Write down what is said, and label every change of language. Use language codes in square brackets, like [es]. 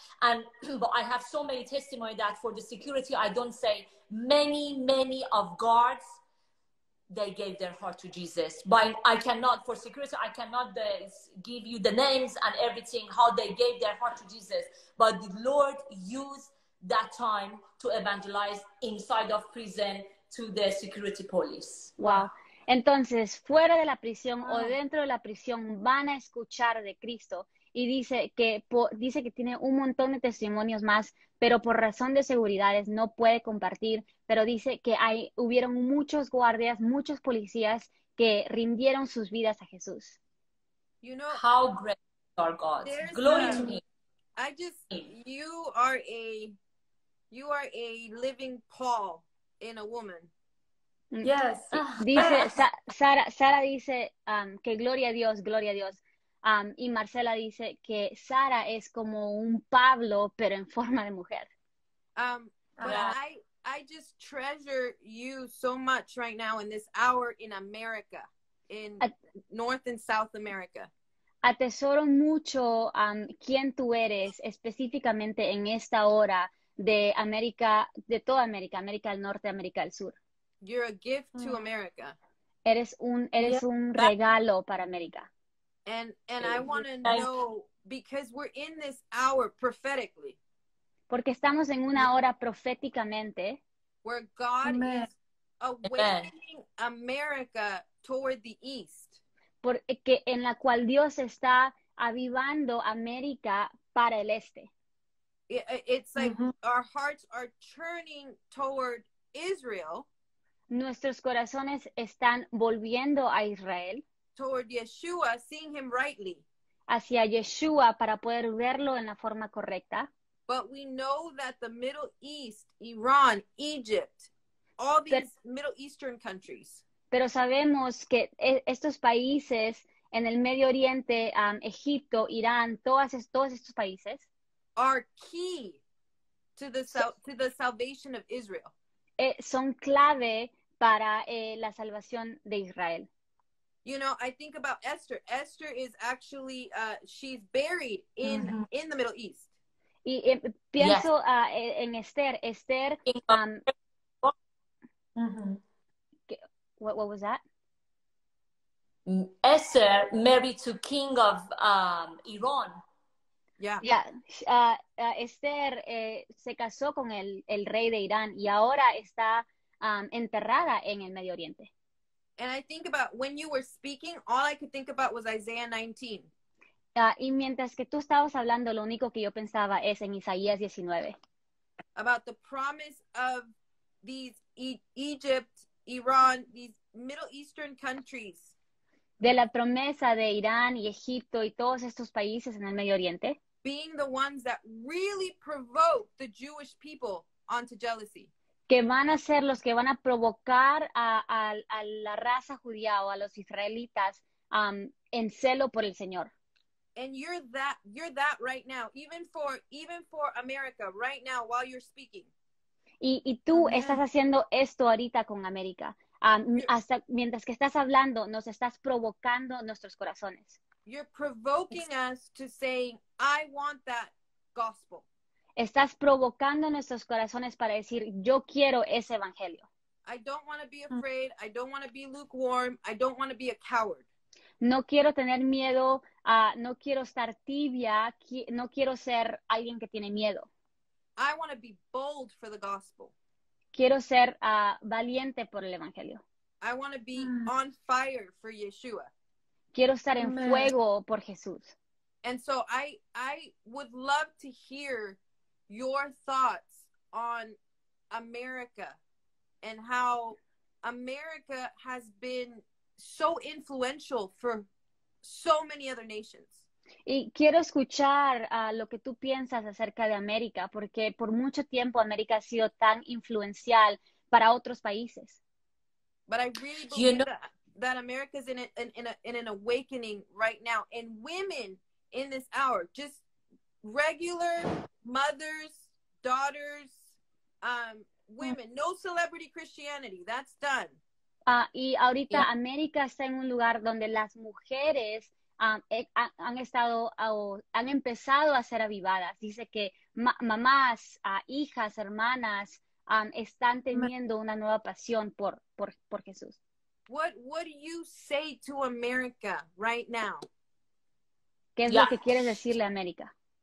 [en] And but I have so many testimony that for the security, I don't say many, many of guards, they gave their heart to Jesus. But I cannot, for security, I cannot give you the names and everything, how they gave their heart to Jesus. But the Lord used that time to evangelize inside of prison, to the security police. Wow. [es] Entonces, fuera de la prisión o dentro de la prisión van a escuchar de Cristo. Y dice que tiene un montón de testimonios más, pero por razón de seguridades no puede compartir. Pero dice que hubieron muchos guardias, muchos policías que rindieron sus vidas a Jesús. [en] You know how great our God. Glory to me. You are a living Paul. In a woman. Yes. [es] Dice Sara dice que gloria a Dios, y Marcela dice que Sara es como un Pablo pero en forma de mujer. [en] I just treasure you so much right now in this hour in America, in North and South America. [es] Atesoro mucho quién tú eres específicamente en esta hora. De América, de toda América, América del Norte, América del Sur. [en] You're a gift to America. [es] Eres un regalo para América. [en] And I want to know, because we're in this hour prophetically. [es] Porque estamos en una hora proféticamente. [en] Where God is awakening America toward the east. [es] Porque en la cual Dios está avivando América para el este. [en] It's like mm-hmm. our hearts are turning toward Israel. [es] Nuestros corazones están volviendo a Israel. [en] Toward Yeshua, seeing him rightly. [es] Hacia Yeshua para poder verlo en la forma correcta. [en] But we know that the Middle East, Iran, Egypt, all these Middle Eastern countries. [es] Pero sabemos que estos países en el Medio Oriente, Egipto, Irán, todos estos países. [en] Are key to the salvation of Israel. [es] Son clave para la salvación de Israel. [en] You know, I think about Esther. Esther is actually she's buried in mm-hmm. in the Middle East. [es] Y pienso [en] yes. [es] En [en] Esther. Esther. Mm-hmm. What was that? Esther married to king of Iran. Yeah. Yeah. [es] Esther se casó con el rey de Irán y ahora está enterrada en el Medio Oriente. [en] And I think about when you were speaking, all I could think about was Isaiah 19. [es] Y mientras que tú estabas hablando, lo único que yo pensaba es en Isaías 19. [en] About the promise of these Egypt, Iran, these Middle Eastern countries. [es] De la promesa de Irán y Egipto y todos estos países en el Medio Oriente. [en] Being the ones that really provoke the Jewish people onto jealousy. [es] Que van a ser los que van a provocar a la raza judía o a los israelitas en celo por el Señor. [en] And you're that right now, even for America right now while you're speaking. [es] Y tú Amen. Estás haciendo esto ahorita con América. Hasta mientras que estás hablando, nos estás provocando nuestros corazones. [en] You're provoking us to saying, I want that gospel. [es] Estás provocando nuestros corazones para decir, yo quiero ese evangelio. [en] I don't want to be afraid. I don't want to be lukewarm. I don't want to be a coward. [es] No quiero tener miedo. No quiero estar tibia. No quiero ser alguien que tiene miedo. [en] I want to be bold for the gospel. [es] Quiero ser valiente por el evangelio. [en] I want to be on fire for Yeshua. [es] Quiero estar en fuego por Jesús. [en] And so I would love to hear your thoughts on America and how America has been so influential for so many other nations. [es] Y quiero escuchar lo que tú piensas acerca de América, porque por mucho tiempo América ha sido tan influencial para otros países. [en] But I really believe that America is in an awakening right now, and women in this hour, just regular mothers, daughters, women, no celebrity Christianity, that's done. [es] Y ahorita [en] yeah. [es] América está en un lugar donde las mujeres han empezado a ser avivadas. Dice que mamás, hijas, hermanas, están teniendo una nueva pasión por Jesús. [en] What do you say to America right now? [es] ¿Qué es lo que quieres decirle a América?